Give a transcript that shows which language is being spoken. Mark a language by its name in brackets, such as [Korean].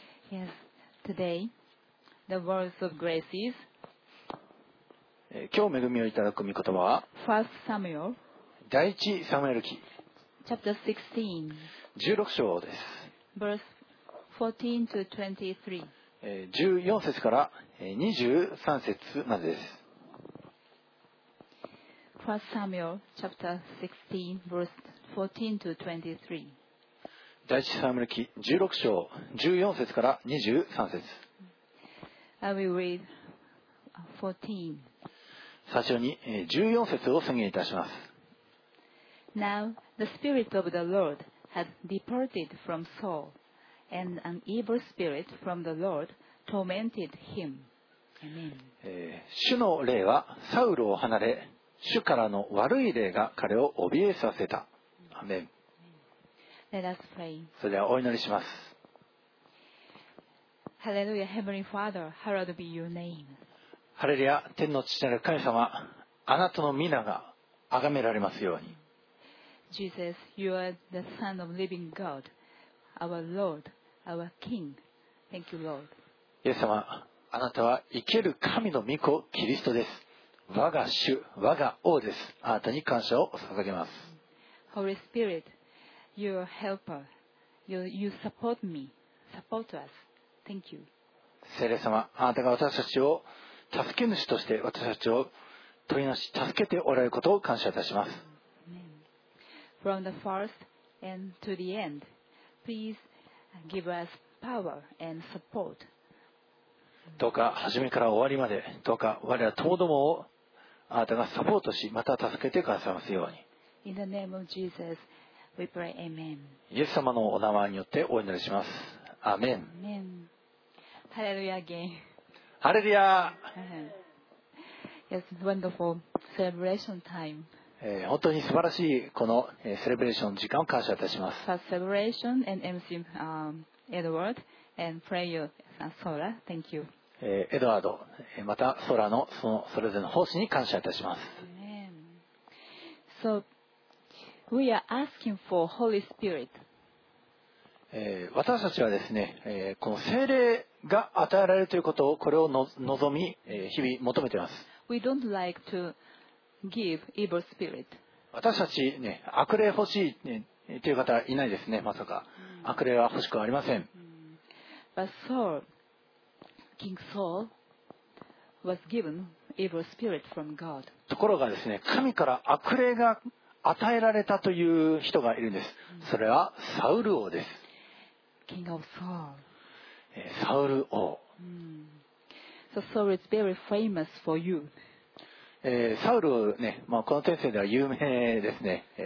[English] Yes, today the words of grace is. [Japanese] 今日恵みをいただく御言葉は。 [English] First Samuel. [Japanese] 第一サムエル記。 [English] Chapter 16. [Japanese] 16章です。 [English] Verse 14 to 23. [Japanese] 14節から23節までです。 [English] First Samuel chapter 16 verse 14 to 23. [Japanese] 第一サムエル記16章14節から23節。 [English] I will read 14. [Japanese] 最初に14節を宣言いたします。 [English] Now the spirit of the Lord had departed from Saul, and an evil spirit from the Lord tormented him. Amen. [Japanese] 主の霊はサウルを離れ、主からの悪い霊が彼を怯えさせた。アメン。 [English] Let us pray. [Japanese] それではお祈りします。 [English] ハレルヤ、Heavenly Father, hallowed be your name. [Japanese] ハレルヤ、天の父なる神様、あなたの御名が崇められますように。 [English] Jesus, you are the Son of Living God, our Lord, our King. Thank you, Lord. [Japanese] イエス様、あなたは生ける神の御子キリストです。我が主、我が王です。あなたに感謝を捧げます。 [English] Holy Spirit. Your helper, you support me, support us. Thank you. [Japanese] 聖霊様、あなたが私たちを助け主として私たちを取りなし助けておられることを感謝いたします。 [English] From the first and to the end, please give us power and support. [Japanese] どうか初めから終わりまで、どうか我らともどもをあなたがサポートし、また助けてくださいますように。 [English] In the name of Jesus. We pray, Amen. [Japanese] イエス様のお名前によってお祈りします。アメン。 [English] ハレルヤ again. [Japanese] ハレルヤ。 [English] Yes, wonderful celebration time. [Japanese] 本当に素晴らしいこのセレブレーション時間を感謝いたします。 [English] First celebration and MC Edward and prayer Sora. Thank you. [Japanese] エドワード、またソラのそのそれぞれの奉仕に感謝いたします。 [English] Amen. So. We are asking for Holy Spirit. [Japanese] 私たちはですね、この聖霊が与えられるということをこれを望み、日々求めています。 [English] We don't like to give evil spirit. [Japanese] 私たち、ね、悪霊欲しい、ね、という方はいないですね、まさか。悪霊は欲しくありません。 [English] But Saul, King Saul, was given evil spirit from God. [Japanese] ところがですね、神から悪霊が与えられたという人がいるんです。それはサウル王です。 [English] King of Saul. [Japanese] サウル王。 [English] So Saul is very famous for you. [Japanese] サウルね、まあ、この天性では有名ですね。